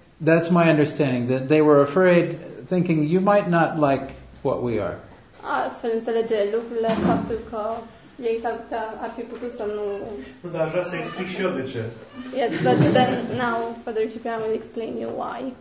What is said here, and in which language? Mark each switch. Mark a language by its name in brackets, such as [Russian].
[English] That's my understanding, that they were afraid, thinking you might not like what we are. [Romanian] Astfel înțelege lucrurile, faptul că ei ar fi putut să nu. Dar vreau să explic și eu de ce. [English] Yes, but then now, Father Cyprian will explain you why.